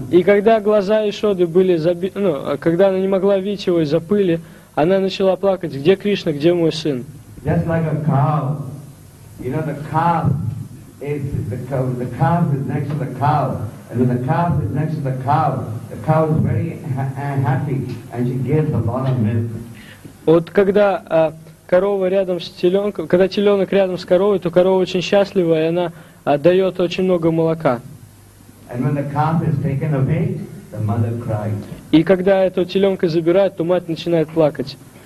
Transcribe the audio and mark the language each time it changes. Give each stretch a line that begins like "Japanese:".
Russian: И когда глаза Ишоды были забиты, ну, когда она не могла видеть его из-за пыли, она начала плакать, где Кришна, где мой сын?
English: Just like a cow. You know, the calf is the calf is next to the cow. And when the calf is next to the cow is very happy and she gives a lot of milk.
Russian: Вот когда корова рядом с теленком, когда теленок рядом с коровой, то корова очень счастлива, и она дает очень много молока.
English: And when the calf is taken away, the mother cries.
Russian: И когда эту теленка забирают, то мать начинает плакать.